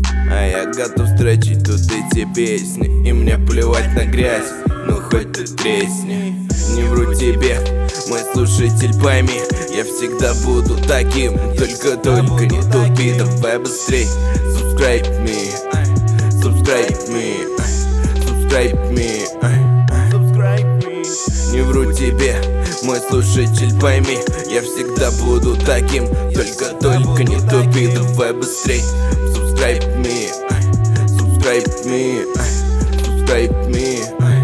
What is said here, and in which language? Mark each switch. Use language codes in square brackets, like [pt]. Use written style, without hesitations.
[ru] А я готов строчить тут эти песни, и мне плевать на грязь, ну хоть ты тресни. Не вру тебе, мой слушатель, пойми, я всегда буду таким. Только-только не тупи, давай быстрей. [en] Subscribe me, subscribe me, subscribe me, subscribe me. [ru] Не вру тебе, мой слушатель, пойми, я всегда буду таким. Только-только не тупи, давай быстрей. [en] Subscribe me, subscribe me, subscribe me.